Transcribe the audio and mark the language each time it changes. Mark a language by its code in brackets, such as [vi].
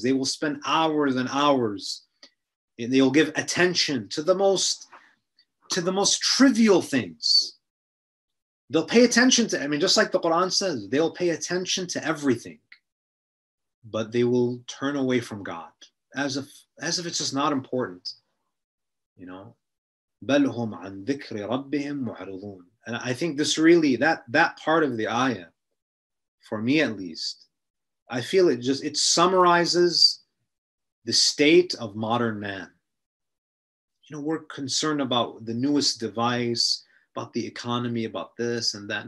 [en] They will spend hours and hours and they'll give attention to the most trivial things. They'll pay attention to, I mean, just like the Quran says, they'll pay attention to everything, but they will turn away from God as if it's just not important. You know, [ar] بَلْهُمْ عَنْ ذِكْرِ رَبِّهِمْ مُعْرِضُونَ. [en] And I think this really, that part of the ayah, for me at least, I feel it summarizes the state of modern man. You know, we're concerned about the newest device, about the economy, about this and that.